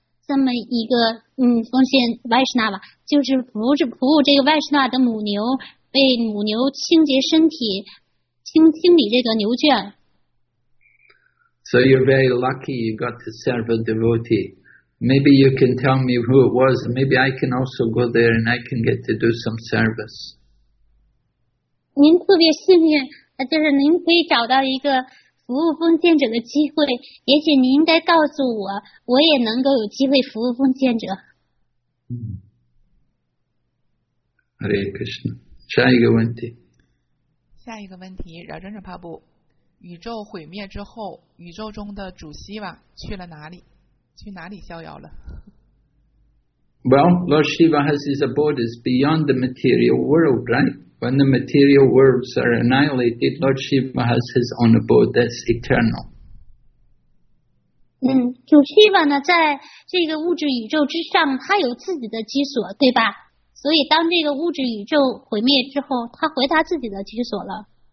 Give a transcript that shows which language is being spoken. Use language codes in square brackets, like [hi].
[zh] 这么一个奉献 Vaishnava， 就是服务这个 Vaishnava 的母牛，为母牛清洁身体，清理这个牛圈。 [en] So you're very lucky you got to serve a devotee. Maybe you can tell me who it was. Maybe I can also go there and I can get to do some service. [zh] 您特别幸运，就是您可以找到一个。服务奉献者的机会，也许你应该告诉我，我也能够有机会服务奉献者。 Hare Krishna， 下一个问题。下一个问题，饶真者帕布，宇宙毁灭之后，宇宙中的主希瓦去了哪里？去哪里逍遥了 [en] ？Well, Lord Shiva has his abode is beyond the material world, right? When the material worlds are annihilated, Lord Shiva has his own abode that's eternal. [zh] 主 Shiva 呢，在这个物质宇宙之上，他有自己的居所，对吧？所以当这个物质宇宙毁灭之后，他回他自己的居所了。